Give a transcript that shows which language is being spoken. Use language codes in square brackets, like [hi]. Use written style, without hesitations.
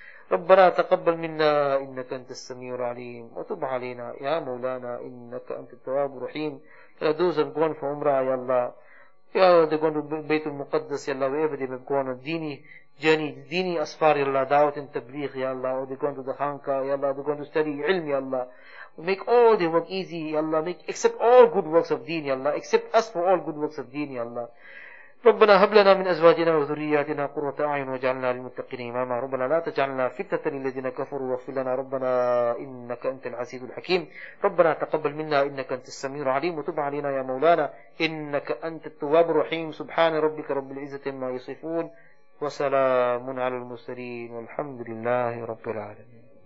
[ar] ربنا تقبل منا إنك أنت السميع العليم وتب علينا يا مولانا إنك أنت التواب الرحيم [en] Yeah, those who are going for Umrah, Ya Allah. Yeah, they're going to Bayt al-Muqaddas, Ya Allah. Wherever they may go on a dini journey, dini asfar, Ya Allah. Dawat and tabliq, Ya Allah. Or they're going to the Khanka, Ya Allah. They're going to study ilm, Ya Allah. Make all their work easy, Ya Allah. Accept all good works of deen, Ya Allah. Accept us for all good works of deen, Ya Allah. [ar] ربنا هب لنا من أزواجنا وذرياتنا قرة أعين واجعلنا للمتقين إماما ربنا لا تجعلنا فتنة للذين كفروا واغفر لنا ربنا إنك أنت العزيز الحكيم ربنا تقبل منا إنك أنت السميع العليم وتب علينا يا مولانا إنك أنت التواب الرحيم سبحان ربك رب العزة ما يصفون وسلام على المرسلين والحمد لله رب العالمين